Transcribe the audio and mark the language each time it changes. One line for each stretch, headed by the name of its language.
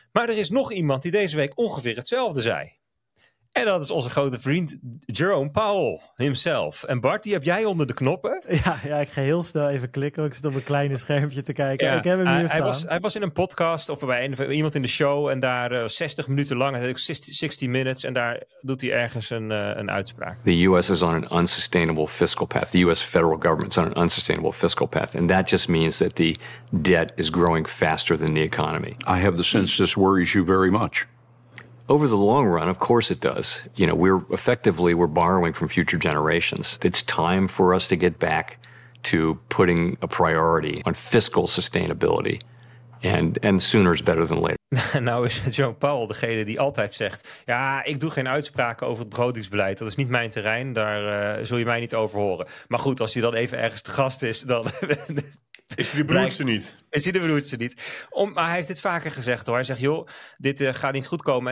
Dutch: Maar er is nog iemand die deze week ongeveer hetzelfde zei. En dat is onze grote vriend Jerome Powell himself. En Bart, die heb jij onder de knoppen. Ja, ik ga heel snel even klikken. Ik zit op een kleine schermpje te kijken. Ja, ik heb hem hier staan. Hij was in een podcast of bij iemand in de show. En daar 60 minuten lang, 60 minutes. En daar doet hij ergens een uitspraak.
English: The US is on an unsustainable fiscal path. The US federal government is on an unsustainable fiscal path. And that just means that the debt is growing faster than the economy. I have the sense this worries you very much. Over the long run, of course it does. You know, we're borrowing from future generations. It's time for us to get back to putting a priority on fiscal sustainability. And sooner is better than later.
Dutch: Nou is Jerome Powell degene die altijd zegt, ja, ik doe geen uitspraken over het begrotingsbeleid. Dat is niet mijn terrein, daar zul je mij niet over horen. Maar goed, als hij dan even ergens te gast is, dan is hij de broertje niet. Is hij de broertje niet. Maar hij heeft dit vaker gezegd hoor. Hij zegt, joh, dit gaat niet goed komen.